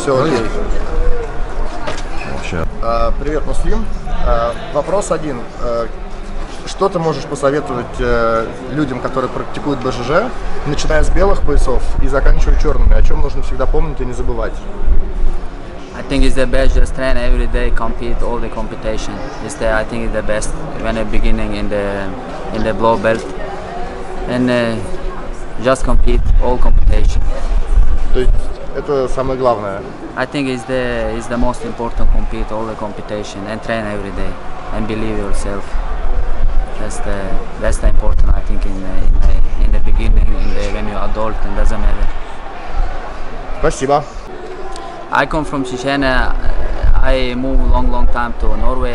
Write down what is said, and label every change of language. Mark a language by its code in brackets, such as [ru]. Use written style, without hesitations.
[ru] Все, окей. Привет, Муслим. Вопрос один. Что ты можешь посоветовать людям, которые практикуют БЖЖ, начиная с белых поясов и заканчивая черными? О чем нужно всегда помнить и не забывать? [en] I think it's the best just train every day, compete all the competition. I think it's the best when you're beginning in the blue belt. And just compete all competition. [ru] То есть это самое главное? [en] I think it's the most important, compete all the competition and train every day and believe yourself. That's the important, I think, in the beginning, when you're adult, it doesn't matter. [ru] Спасибо. [en] I come from Chechnya. I moved long time to Norway.